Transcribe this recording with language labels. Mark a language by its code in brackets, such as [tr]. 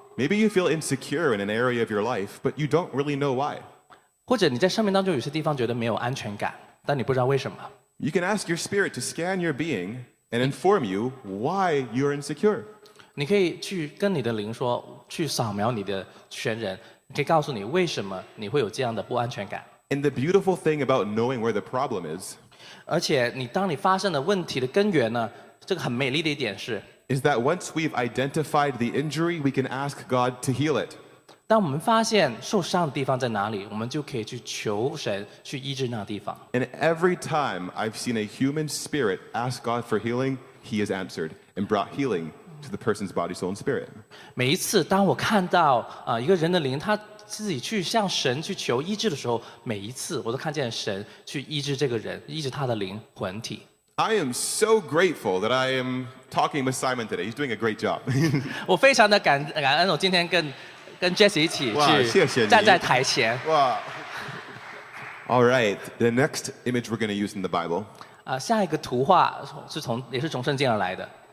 [en] Maybe you feel insecure in an area of your life, but you don't really know why. [zh] 或者你在生命当中有些地方觉得没有安全感，但你不知道为什么。 [en] You can ask your spirit to scan your being and inform you why you're insecure. [zh] 你可以去跟你的灵说，去扫描你的全人，可以告诉你为什么你会有这样的不安全感。 [en] And the beautiful thing about knowing where the problem is, [zh] 而且你当你发生的问题的根源呢，这个很美丽的一点是。 [en] Is that once we've identified the injury, we can ask God to heal it. [zh] 当我们发现受伤的地方在哪里，我们就可以去求神去医治那地方。 [en] And every time I've seen a human spirit ask God for healing, he has answered and brought healing to the person's body, soul, and spirit. [zh] 每一次当我看到一个人的灵他自己去向神去求医治的时候，每一次我都看见神去医治这个人，医治他的灵魂体。 [en] I am so grateful that I am talking with Simon today. He's doing a great job. [zh] 我非常的感恩，我今天跟 Jesse 一起去站在台前。哇！ [en] All right, the next image we're going to use in the Bible. [zh] 下一个图画是从也是从圣经而来的。